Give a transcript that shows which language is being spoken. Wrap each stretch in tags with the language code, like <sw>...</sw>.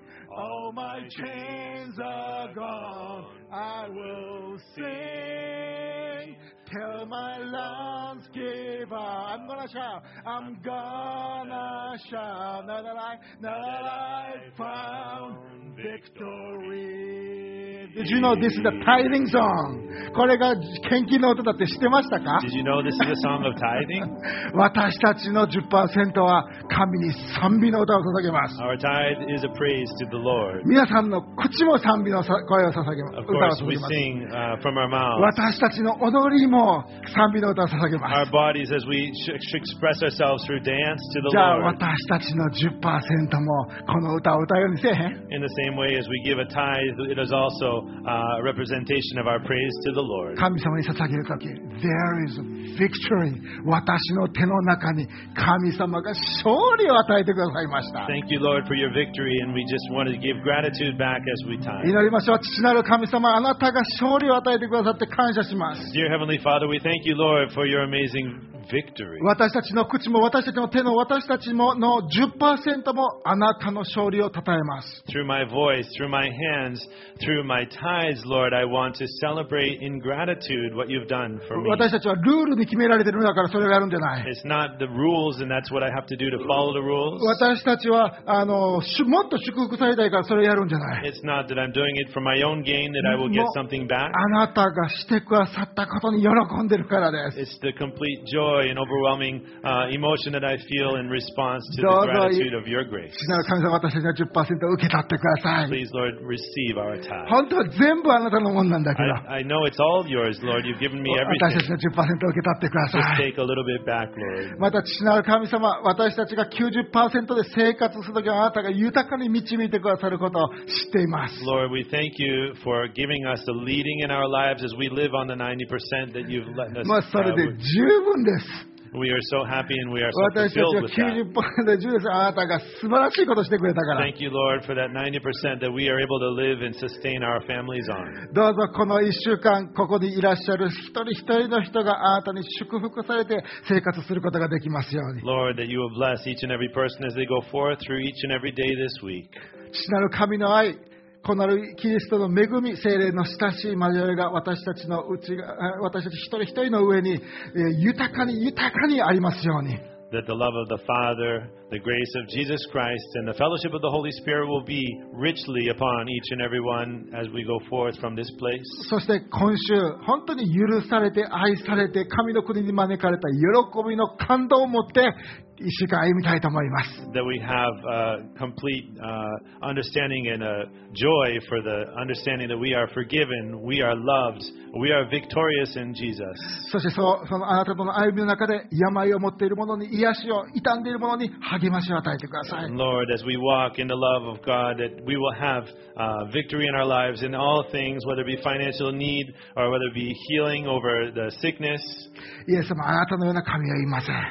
<en>All my chains are gone I will sing Till my lungs give out I'm gonna shout I'm gonna shout Now that I found victory Did you know this is the tithing song?</en> <ja>これが献金の歌だって知ってましたか?</ja> <en>Did you know this is the song of tithing?</en> <ja>私たちの 10% は神に賛美の歌を捧げます。</ja> <en>Our tithe is a praise to the Lord.</en> <ja>皆さんの口も賛美の声を捧げます。</ja> <en>Of course, we sing from our mouths.</en> <ja>私たちの踊りも賛美の歌を捧げます。</ja> <en>Our bodies as we express ourselves through dance to the Lord.</en> <ja>じゃあ私たちの 10% もこの歌を歌うようにせえへん?</ja> <en>In the same way as we give a tithe, it is also a representation of our praise. To the Lord.</en> <ja>神様に捧げるとき</ja> <en>There is victory</en> <ja>私の手の中に神様が勝利を与えてくださいました</ja> <en>Thank you Lord for your victory and we just want to give gratitude back as we tithe</en> <ja>祈りましょう父なる神様あなたが勝利を与えてくださって感謝します</ja> <en>Dear Heavenly Father we thank you Lord for your amazing victory</en> <ja>私たちの口も私たちの手の私たちもの 10% もあなたの勝利を称えます</ja> <en>Through my voice, through my hands, through my tithes Lord I want to celebrateIn gratitude, what you've done for me.</en> <ja>私たちはルールに決められているんだからそれをやるんじゃない。</ja> <en>It's not the rules, and that's what I have to do to follow the rules.</en> <ja>私たちはもっと祝福されたいからそれをやるんじゃない。</ja> <en>It's not that I'm doing it for my own gain that I will get something back.</en> <ja>あなたがしてくださったことに喜んでるからです。</ja> <en>It's the complete joy joy and overwhelming emotion that I feel in response to the gratitude of your grace.</en> <ja>神様、私が 10% 受け取ってください。</ja> <en>Please, Lord, receive our tithe.</en> <ja>本当は全部あなたのものなんだけど。</ja> <en>I know it's all yours, Lord. You've given me everything.</en> <ja>私たちの 10% 受け取ってください。</ja> <en>Just take a little bit back, Lord.</en> <ja>また、父なる神様、私たちが 90% で生活するときあなたが豊かに導いてくださることを知っています。</ja> <en>Lord, we thank you for giving us the leading in our lives as we live on the 90% that you've let us.</en> <ja>もうそれで十分です。</ja> <en>We are so happy and we are so fulfilled with that. Thank you, Lord, for that 90% that we are able to live and sustain our families on.</en> <ja>どうぞこの1週間ここにいらっしゃる一人一人の人があなたに祝福されて生活することができますように。</ja> <en>Lord, that you will bless each and every person as they go forth through each and every day this week.</en> <ja>父なる神の愛、子なるキリストの恵み、聖霊の親しい交わりが私たちの内、私たち一人一人の上に豊かに豊かにありますように。</ja> <en>That the love of the Father, the grace of Jesus Christ, and the fellowship of the Holy Spirit will be richly upon each and every one as we go forth from this place.</en> <ja>そして今週本当に許されて愛されて神の国に招かれた喜びの感動を持って一週間歩みたいと思います。</ja> <en>That we have a complete understanding and a joy for the understanding that we are forgiven, we are loved, we are victorious in Jesus.</en> <ja>そしてそのあなたとの歩みの中で病を持っている者に癒しを、傷んでいる者に励ましを与えてください。</ja> <en>And Lord, as we walk in the love of God, that we will have victory in our lives in all things, whether it be financial need or whether it be healing over the sickness.</en> <ja>イエス様、あなたのような神はいません。</ja>